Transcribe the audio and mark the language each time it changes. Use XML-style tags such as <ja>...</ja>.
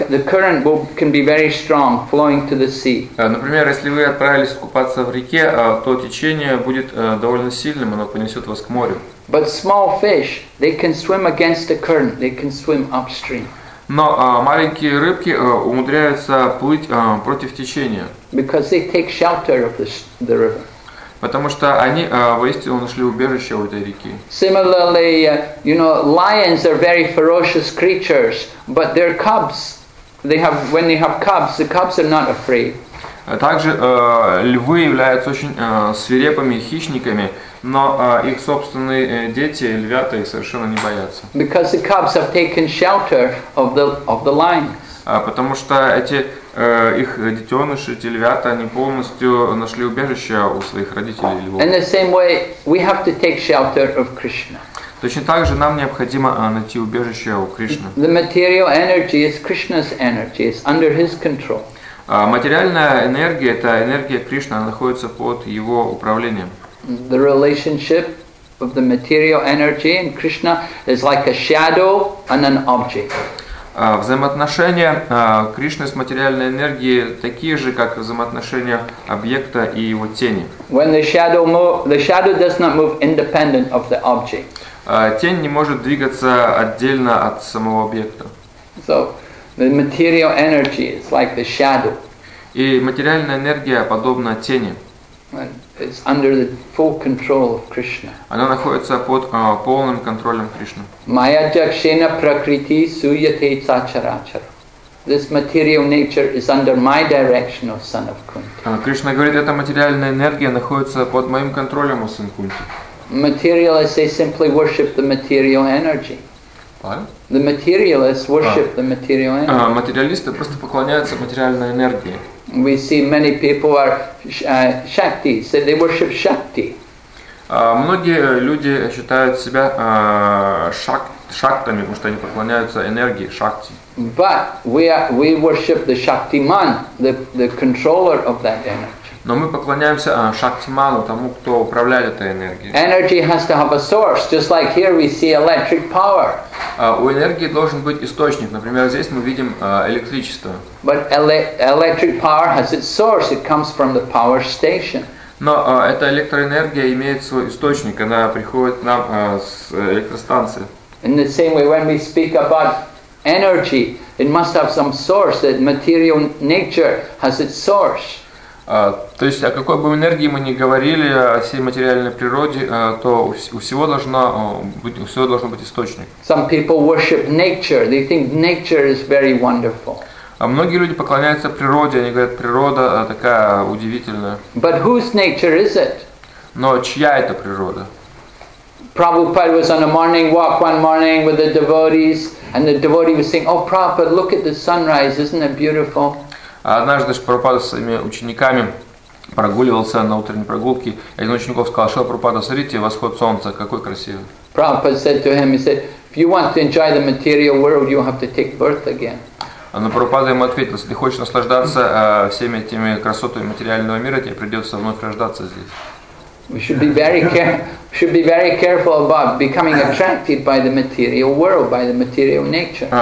<en>The current can be very strong, flowing to the sea.</en> <ru>Например, если вы отправились купаться в реке, то течение будет довольно сильным, оно понесет вас к морю.</ru> <en>But small fish, they can swim against the current, they can swim upstream.</en> <ru>Но маленькие рыбки умудряются плыть против течения.</ru> <en>Because they take shelter of the river.</en> <ru>Потому что они воистину нашли убежище у этой реки.</ru> <en>Similarly, you know, lions are very ferocious creatures, but their cubs, when they have cubs, the cubs are not afraid.</en> <ru>Также львы являются очень свирепыми хищниками, но их собственные дети, львята, их совершенно не боятся.</ru> <en>Because the cubs have taken shelter of the lions.</en> <ru>Потому что эти их детеныши, эти львята, они полностью нашли убежище у своих родителей львов.</ru> <en>In the same way, we have to take shelter of Krishna.</en> <ru>Точно так же нам необходимо найти убежище у Кришны.</ru> <en>The material energy is Krishna's energy, it's under his control.</en> <ru>Материальная энергия, это энергия Кришны, она находится под его управлением.</ru> <en>The relationship of the material energy and Krishna is like a shadow and an object.</en> <ru>Взаимоотношения Кришны с материальной энергией такие же, как взаимоотношения объекта и его тени.</ru> <en>When the shadow does not move independent of the object.</en> <ru>Тень не может двигаться отдельно от самого объекта.</ru> <en>So, the material energy is like the shadow.</en> <ru>И материальная энергия подобна тени.</ru> <en>It's under the full control of Krishna.</en> <ru>Она находится под полным контролем Кришны.</ru> <sa>Maya jakshena prakriti suyate sacharachar.</sa> <en>This material nature is under my direction, O son of Kunti.</en> <ru>Кришна говорит, эта материальная энергия находится под моим контролем, О сын Кунти.</ru> <en>Materialists, they simply worship the material energy. What? The materialists worship the material energy.</en> <ru>Материалисты просто поклоняются материальной энергии.</ru> <en>We see many people are Shakti, so they worship Shakti.</en> <ru>Многие люди считают себя шактами, потому что они поклоняются энергии Шакти.</ru> <en>But we worship the Shaktiman, the controller of that energy.</en> <ru>Но мы поклоняемся Шактиману, тому, кто управляет этой энергией.</ru> <en>Energy has to have a source, just like here we see electric power.</en> <ru>У энергии должен быть источник. Например, здесь мы видим электричество.</ru> <en>But electric power has its source. It comes from the power station.</en> <ru>Но эта электроэнергия имеет свой источник. Она приходит нам с электростанции.</ru> <en>In the same way, when we speak about energy, it must have some source. That material nature has its source.</en> <ru>То есть о какой бы энергии мы ни говорили, о всей материальной природе, то у всего должно быть источник.</ru> <en>Some people worship nature. They think nature is very wonderful.</en> <ru>Многие люди поклоняются природе, они говорят, природа такая удивительная.</ru> <en>But whose nature is it?</en> <ru>Но чья это природа?</ru> <en>Prabhupada was on a morning walk one morning with the devotees, and the devotee was saying, "Oh, Prabhupada, look at the sunrise, isn't it beautiful?"</en> <ru>Однажды Прабхупада с своими учениками прогуливался на утренней прогулке, и один из учеников сказал: "Шрила Прабхупада, смотрите, восход солнца, какой красивый!"</ru> <en>Prabhupada said to him, he said, "If you want to enjoy the material world, you have to take birth again."</en> <ru>Но Прабхупада ему ответил: "Если хочешь наслаждаться всеми этими красотами материального мира, тебе придется вновь рождаться здесь."</ru> <en>We should be very careful about becoming attracted by the material world, by the material nature.</en>